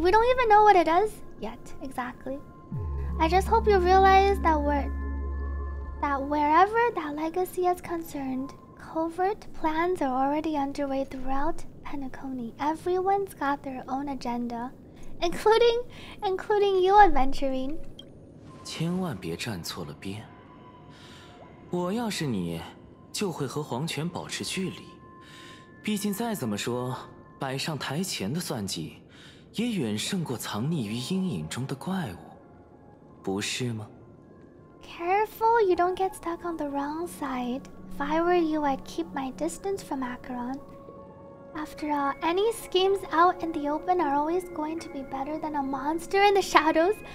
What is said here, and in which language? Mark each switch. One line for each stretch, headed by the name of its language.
English: We don't even know what it is yet, exactly. I just hope you realize that wherever that legacy is concerned, covert plans are already underway throughout Penacony. Everyone's got their own agenda, including you, Adventurine.
Chinese: 千万别站错了边。我要是你，就会和黄泉保持距离。毕竟再怎么说，摆上台前的算计，也远胜过藏匿于阴影中的怪物，不是吗？
English: Careful, you don't get stuck on the wrong side. If I were you, I'd keep my distance from Acheron. After all, any schemes out in the open are always going to be better than a monster in the shadows.